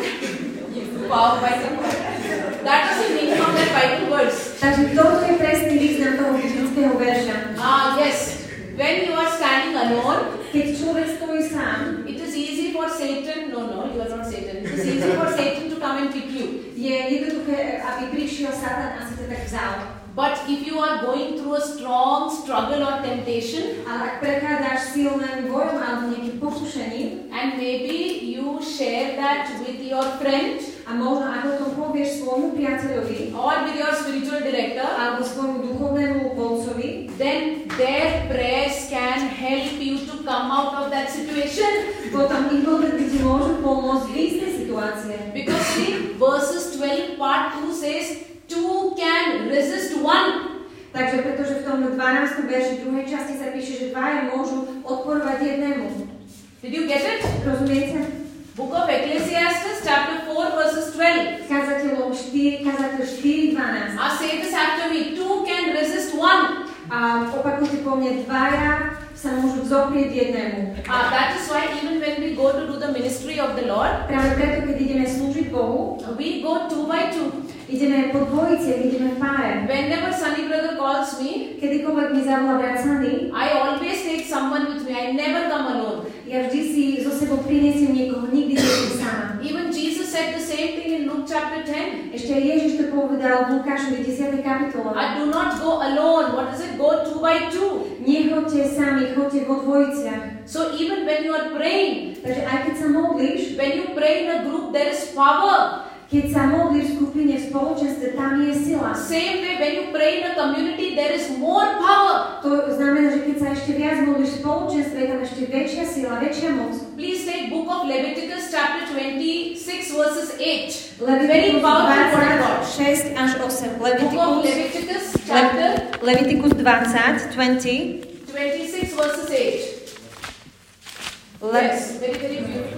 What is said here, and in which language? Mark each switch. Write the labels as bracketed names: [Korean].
[English] That is the meaning of that Bible verse. [Slovak] Takže toto je presný význam toho biblického verša. [English] Yes. When you are standing alone, [Slovak] keď človek stojí sám, [English] it is easy for Satan. No, you are not Satan. It is easy for Satan to come and pick you. [Slovak] Je jednoduché, aby prišiel Satan a si to tak vzal. [English] But if you are going through a strong struggle or temptation, [Slovak] ak prechádzaš silným bojom alebo nejakým pokušením, [English] and maybe you share that with your friend, [Slovak] a možno aj o tom povieš svojmu priateľovi, [English] or with your spiritual director, [Slovak] alebo svojmu duchovnému vodcovi, [English] then their prayers can help you to come out of that situation. [Slovak] Potom ich modlitby ti môžu pomôcť vyjsť z tej situácie. [English] Because see, verses 12 part 2 says, two can resist one. [Slovak] Takže pretože v tom 12. verši druhej časti sa píše, že dvaja môžu odporovať jednému. [English] Did you get it? [Slovak] Rozumiete? [English] Book of Ecclesiastes, chapter 4, verses 12. [Slovak] Kazateľ 4:12. [English] A say this after me, two can resist one. [Slovak] A opakujte po mne, dvaja sa môžu vzoprieť jednému. [English] That is why even when we go to do the ministry of the Lord, [Slovak] práve preto, keď ideme slúžiť Bohu, [English] we go two by two. [Slovak] Ideme po dvojice, ideme v páre. [English] Whenever Sunny brother calls me, [Slovak] kedykoľvek mi zavolá brat Sunny, [English] I always take someone with me, I never come alone. [Slovak] Ja vždy si zo sebou prinesiem niekoho, nikdy nie som sama. [English] Even Jesus said the same thing in Luke chapter 10. [Slovak] Ešte Ježiš to povedal v Lukášovi 10. kapitole. [English] I do not go alone. What is it? Go two by two. [Slovak] Nechoďte sami, choďte vo dvojiciach. [English] So even when you are praying, [Slovak] takže aj keď sa modlíš, [English] when you pray in a group, there is power. [Slovak] Keď sa modlíš v skupine, v spoločenstve, tam je sila. [English] Same way, when you pray in a community, there is more power. [Slovak] To znamená, že keď sa ešte viac modlíš v spoločenstve, je tam ešte väčšia sila, väčšia moc. [English] Please take book of Leviticus, chapter 26, verses 8. Leviticus 20, 6-8. Book of Leviticus, chapter 20, 20. 26 verses 8.